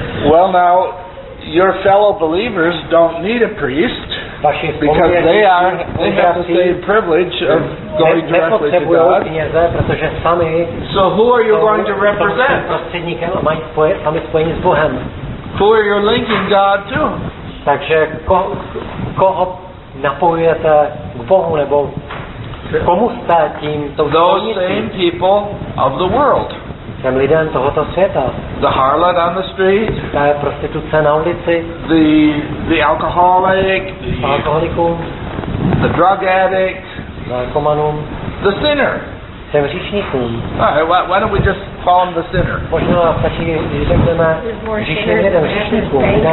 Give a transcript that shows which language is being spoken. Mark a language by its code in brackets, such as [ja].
[en] Well now, your fellow believers don't need a priest because they have the same privilege of going directly to God. [cs] Kněze, protože sami [en] so who are you going to represent? [cs] Sami spojení s Bohem. [en] Who are you linking God to? [cs] Takže koho napojujete k Bohu nebo komu jste tím [en] those same people of the world. [cs] Těm lidem tohoto světa. [en] The harlot on the street. [cs] Ta prostituce na ulici. [en] The alcoholic. The [cs] alkoholikům. [en] The drug addict. [cs] Narkomanům. [en] The sinner. [cs] Těm hříšníkům. [en] Alright, why don't we just call him the sinner? [cs] Možná stačí, když řekneme hříšníkům.